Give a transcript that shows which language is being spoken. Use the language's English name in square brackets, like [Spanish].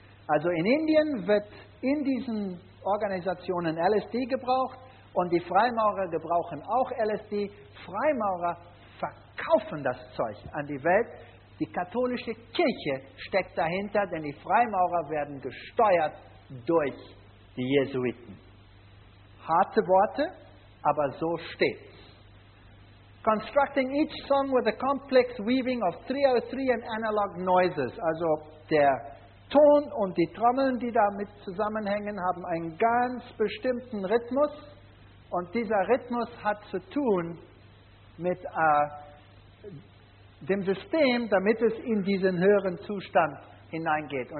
[German] Also in Indien wird in diesen Organisationen LSD gebraucht und die Freimaurer gebrauchen auch LSD. Freimaurer verkaufen das Zeug an die Welt. Die katholische Kirche steckt dahinter, denn die Freimaurer werden gesteuert durch die Jesuiten. Harte Worte, aber so steht's. [English] Constructing each song with a complex weaving of 303 and analog noises. [German] Also der Ton und die Trommeln, die damit zusammenhängen, haben einen ganz bestimmten Rhythmus. Und dieser Rhythmus hat zu tun mit dem System, damit es in diesen höheren Zustand hineingeht.